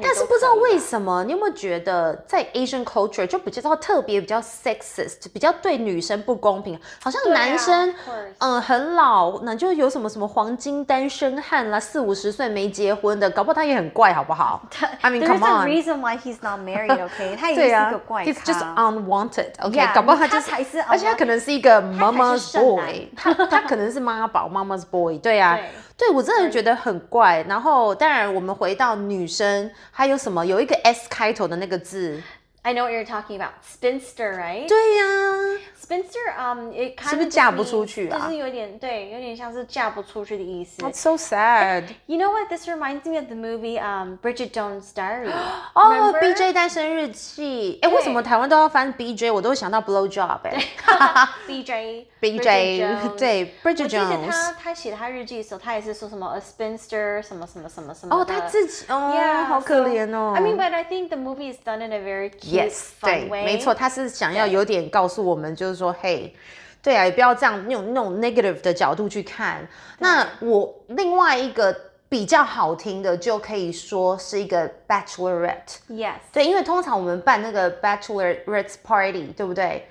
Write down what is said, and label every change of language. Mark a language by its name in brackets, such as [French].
[Chinese] 但是不知道为什么，你有没有觉得在 Asian culture 就比较特别，比较 sexist， 比较对女生不公平？好像男生，啊、嗯，很老，那就有什么什么黄金单身汉啦，四五十岁没结婚的，搞不好他也很怪，好不好？他 [English] I mean, come on. There's a reason why he's not married, okay? 他也是一个怪咖。啊、he's just unwanted, okay? Yeah, [Chinese] 搞不好他就是，而且他可能是一个 mama's boy， 他可能是妈宝 ，mama's boy， 对啊。对对我真的觉得很怪然后当然我们回到女生还有什么有一个 S 开头的那个字 [English] I know what you're talking about Spinster, right? [Chinese] 对呀、啊、 [English] Spinster, it kind of [Chinese] 是不是嫁不出去啊就是有点对有点像是嫁不出去的意思 [English] That's so sad You know what? This reminds me of the movie Bridget Jones' Diary [Chinese] 哦 BJ 单身日记诶为什么台湾都要翻 BJ 我都会想到 blowjob 诶 [English] BJ BJ, Bridget [Chinese] 对 ，Bridget Jones。我记得他写他日记的时候，他也是说什么 a spinster 什么什么什么什么。哦，他自己哦， [English] yeah, [Chinese] 好可怜哦。 [English] So, I mean, but I think the movie is done in a very cute, yes, fun way. [Chinese] 对，没错，他是想要有点告诉我们，就是说，嘿，对啊，也不要这样用那种 negative 的角度去看。那我另外一个。比较好听的就可以说是一个 bachelorette [English] yes [Chinese] 对因为通常我们办那个 bachelorette party 对不对